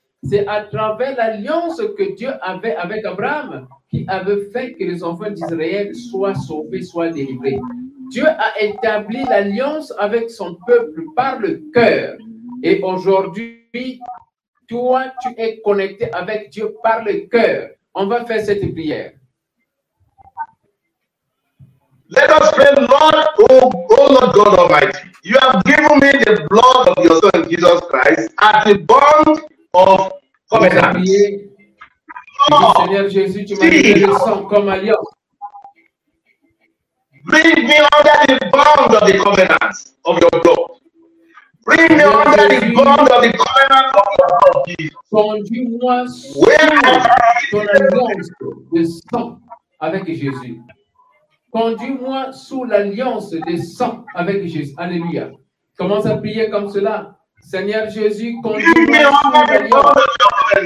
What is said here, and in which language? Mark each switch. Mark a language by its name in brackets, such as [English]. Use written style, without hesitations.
[French] C'est à travers l'alliance que Dieu avait avec Abraham qui avait fait que les enfants d'Israël soient sauvés, soient délivrés. Dieu a établi l'alliance avec son peuple par le cœur. Et aujourd'hui, toi, tu es connecté avec Dieu par le cœur. On va faire cette prière. [English] Let us pray, Lord, oh Lord God Almighty, you have given me the blood of your Son Jesus Christ as the bond of covenant. Lord, [French] Seigneur Jésus, tu m'as donné le sang comme alliance. [English] Bring me under the bond of the covenant of your blood. Bring me under the bond of the covenant of your blood, Jesus. [French] Conduis-moi sous ton alliance de sang avec Jésus. Conduis-moi sous l'alliance des sangs avec Jésus. Alléluia. Commence à prier comme cela. Seigneur Jésus, conduis-moi sous l'alliance.